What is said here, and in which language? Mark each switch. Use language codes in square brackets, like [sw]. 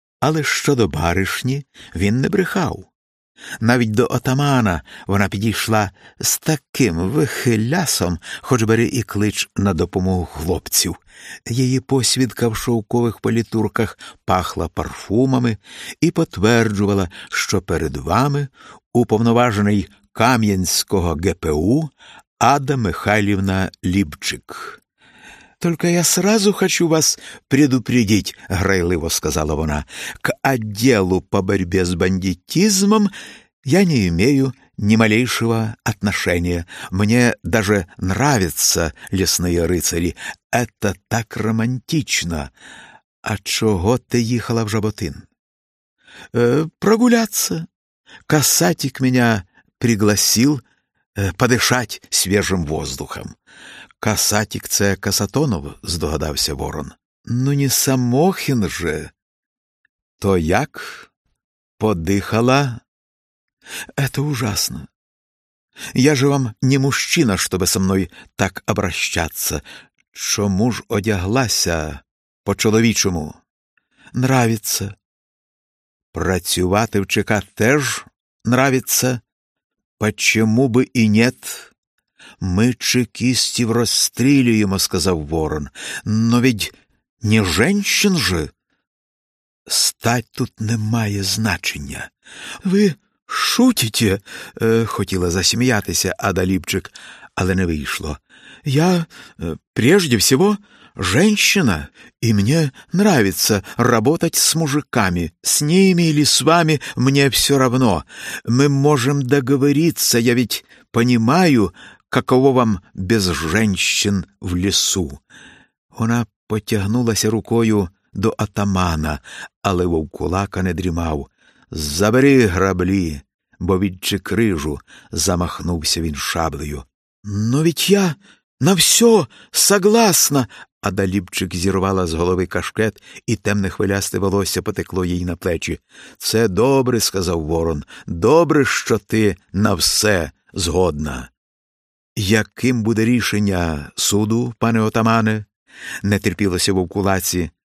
[uk] Але щодо баришні він не брехав. Навіть до отамана вона підійшла з таким вихилясом, хоч бери і клич на допомогу хлопців. Її посвідка в шовкових політурках пахла парфумами і потверджувала, що перед вами уповноважений Кам'янського ГПУ Ада Михайлівна Ліпчик. [ru] «Только я сразу хочу вас предупредить», – грайливо сказала вона, – «к отделу по борьбе с бандитизмом я не имею ни малейшего отношения. Мне даже нравятся лесные рыцари. Это так романтично. А чего ты ехала в Жаботин?» «Прогуляться. Касатик меня пригласил подышать свежим воздухом». [uk] «Касатик – це Касатонов», – здогадався ворон. [ru] «Ну, не Самохін же!» [uk] «То як? Подихала?» [ru] «Это ужасно! Я же вам не мужчина, чтобы со мной так обращаться. [uk] Чому ж одяглася по-чоловічому? [ru] Нравится. [uk] Працювати в ЧК теж нравится? [ru] Почему бы и нет?» [uk] «Ми чекістів розстрілюємо», – сказав ворон. [ru] «Но ведь не женщин же?» [uk] «Стать тут не має значення. [ru] Ви шутите?» [uk] Хотіла засміятися Ада Ліпчик, але не вийшло. [ru] «Я, прежде всего, женщина, [uk] і мені [ru] нравиться работать з мужиками. З ними или з вами мені все равно. [uk] Ми можемо [ru] договориться, я ведь понимаю, каково вам без женщин в лісу?» [uk] Вона потягнулася рукою до атамана, але вовкулака не дрімав. «Забери граблі, бо відчи крижу», – замахнувся він шаблею. [ru] «Но ведь я на все согласна!» [uk] Ада Ліпчик зірвала з голови кашкет, і темне хвилясте волосся потекло їй на плечі. «Це добре», – сказав ворон, – «добре, що ти на все згодна». «Яким буде рішення суду, пане отамане?» – не терпілося вовкулаці.